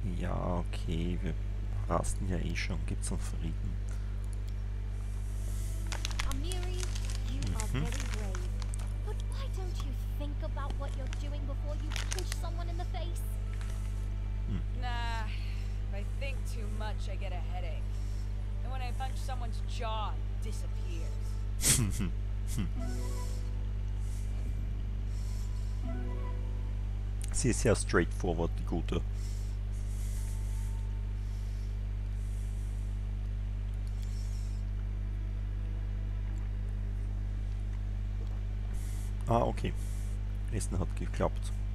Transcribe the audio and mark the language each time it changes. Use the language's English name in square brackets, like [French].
[German] Ja, okay, wir rasten ja eh schon. Gibt's noch Frieden? [English] Amiri, you are very brave. But why don't you think about what you're doing before you punch someone in the face? Nah, if I think too much, I get a headache. When I punch someone's jaw, it disappears. [German] Sie ist sehr straightforward, die Gute. Ah, okay. Essen hat geklappt.